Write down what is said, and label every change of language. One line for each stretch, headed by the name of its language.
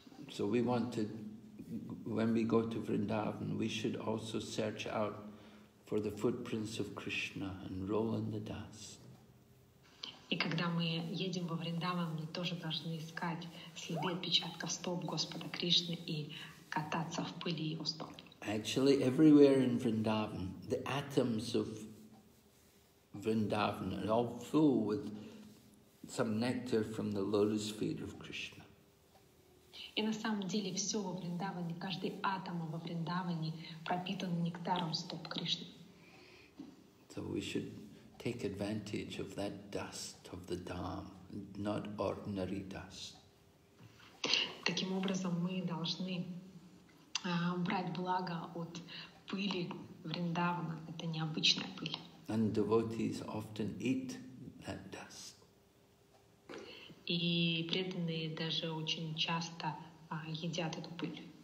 English: So we want to, when we go to Vrindavan, we should also search out for the footprints of Krishna and roll in the dust.
Russian: И когда мы едем во Вриндаван, мы тоже должны искать следы отпечатков стоп Господа Кришны и кататься в пыли его стоп.
English: Actually, everywhere in Vrindavan, the atoms of Vrindavan are all full with some nectar from the lotus feet of Krishna.
Russian: И на самом деле все во Вриндаване, каждый атом во Вриндаване пропитан нектаром стоп Кришны.
English: So we should take advantage of that dust of the Dham, not ordinary dust.
Russian: Таким образом, мы должны брать благо от пыли Вриндавана. Это необычная пыль.
English: And devotees often eat that dust.
Russian: И преданные даже очень часто едят эту пыль.